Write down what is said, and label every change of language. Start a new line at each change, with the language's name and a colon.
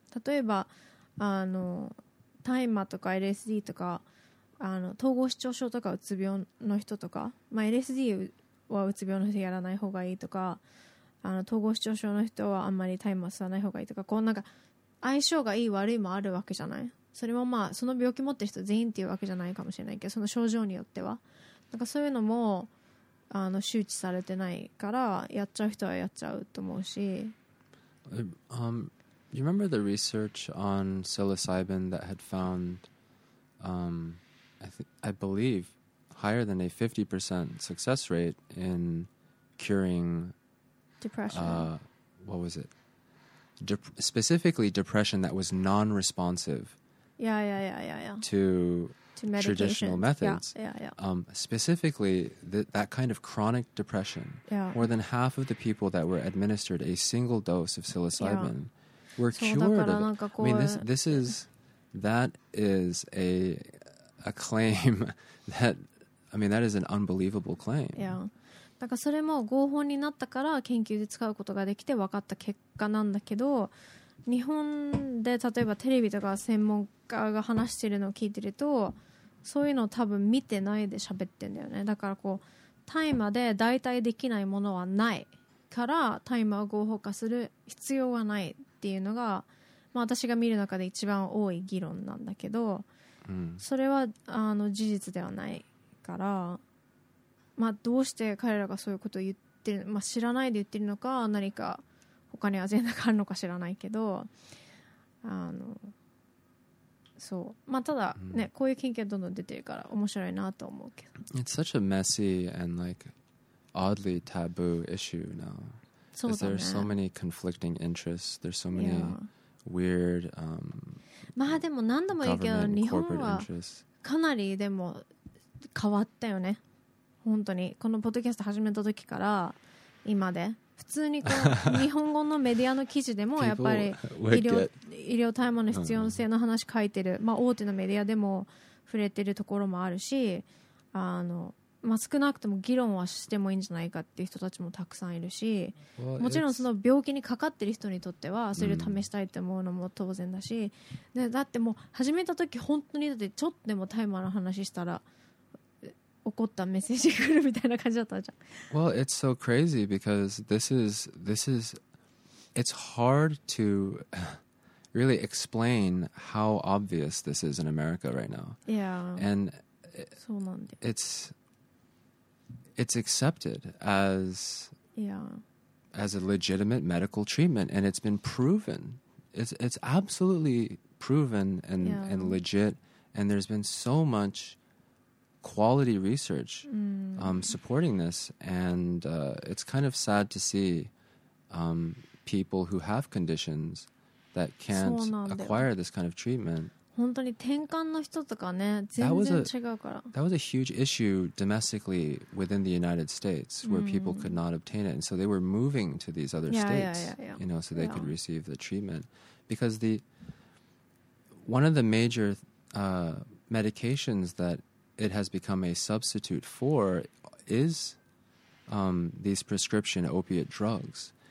Japanese: 例えば、あの、タイマーとか LSD とか、あの統合失調症とかうつ病の人とか、まあ、LSD はうつ病の人やらない方がいいとか、あの統合失調症の人はあんまりタイマー吸わない方がいいとか、こうなんか相性がいい悪いもあるわけじゃない。それもまあその病気持ってる人全員っていうわけじゃないかもしれないけど、その症状によってはなんかそういうのもあの周知されてないから、やっちゃう人はやっちゃうと思うし、
English: Do you remember the research on psilocybin that had found, I believe, higher than a 50% success rate in curing depression? What was it? Specifically, depression that was non-responsive. Yeah. To traditional methods. Yeah. Specifically, that kind of chronic depression. Yeah. More than half of the people that were administered a single dose of psilocybin. Yeah. We're cured of it. I mean, this is a claim that, I mean, that is an unbelievable claim. Yeah.
Japanese: だからそれも合法になったから研究で使うことができて分かった結果なんだけど、日本で例えばテレビとか専門家が話してるのを聞いてると、そういうのを多分見てないで喋ってんだよね。だからこうタイマーで代替できないものはないから、タイマーを合法化する必要はないっていうのが、まあ、私が見る中で一番多い議論なんだけど、うん、それはあの事実ではないから、まあ、どうして彼らがそういうことを言ってる、まあ、知らないで言ってるのか、何か他にアジェンダがあるのか知らないけど、あのそう、まあ、ただ、ね、うん、こういう研究がどんどん出てるから面白いなと思うけど。
English: It's such a messy and like oddly taboo issue now.
Japanese: そうだね。
English: There's so many conflicting interests. There's so many weird
Japanese: まあでも何度も言うけど、日本はかなりでも変わったよね。本当にこのポッドキャスト始めた時から今で、普通にこの日本語のメディアの記事でもやっぱり医療大麻の必要性の話書いてる、まあ、大手のメディアでも触れてるところもあるし、あの、まあ、少なくとも議論はしてもいいんじゃないかっていう人たちもたくさんいるし、もちろんその病気にかかってる人にとってはそれを試したいって思うのも当然だし、でだってもう始めた時本当にだってちょっとでも大麻の話したら怒ったメッセージ来るみたいな感じだったじゃん。
English: Well, it's so crazy because this is it's hard to really explain how obvious this is in America right now. Yeah. And
Japanese: そうなんで。
English: it's accepted as yeah as a legitimate medical treatment, and it's been proven. It's absolutely proven and yeah. and legit, and there's been so muchquality research supporting this, and it's kind of sad to see people who have conditions that can't acquire this kind of treatment.
Japanese: 本当に転換の人とかね、全然違うから。
English: That was a huge issue domestically within the United States, where people could not obtain it, and so they were moving to these other states, you know, so they could receive the treatment. Because the one of the major medications thatit has become a substitute for is these prescription opiate drugs.